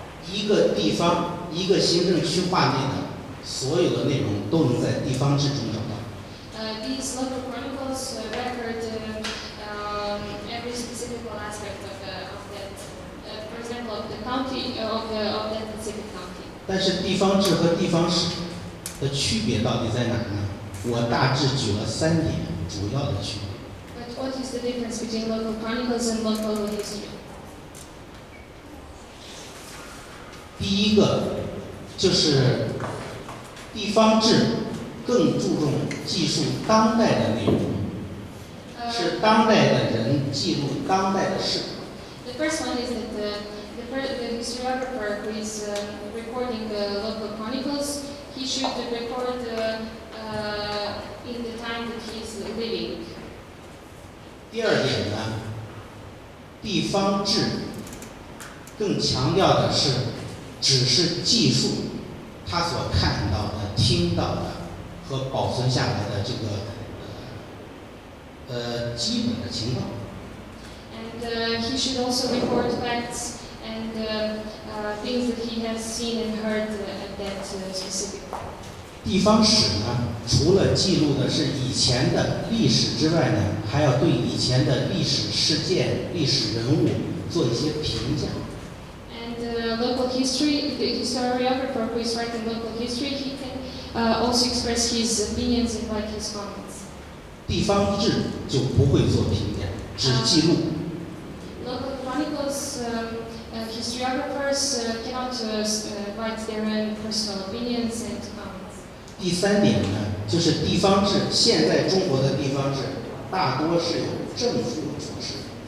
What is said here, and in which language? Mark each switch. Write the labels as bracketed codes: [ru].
[zh] 一个地方，一个行政区划内的所有的内容都能在地方志中找到。 [en] These local chronicles record every specific aspect of that specific county. [zh] 但是地方志和地方史的区别到底在哪呢？我大致举了三点主要的区别。 [en] But what is the difference between local chronicles and local history? [zh] 第一个就是地方志更注重记述当代的内容，是当代的人记录当代的事。 [en] The first one is that the historiographer who is recording the local chronicles, he should record in the time that he is living. [zh] 第二点呢，地方志更强调的是。只是记述他所看到的、听到的和保存下来的这个基本的情况。 [en] And he should also report facts and things that he has seen and heard at that specific. [zh] 地方史呢，除了记录的是以前的历史之外呢，还要对以前的历史事件、历史人物做一些评价。 [en] Local history, the historiographer who is writing local history, he can also express his opinions and write his comments. [zh] 地方志就不会做评价，只记录。 [en] Local chronicles, historiographers cannot write their own personal opinions and comments. [zh] 第三点呢，就是地方志，现在中国的地方志大多是由政府主持。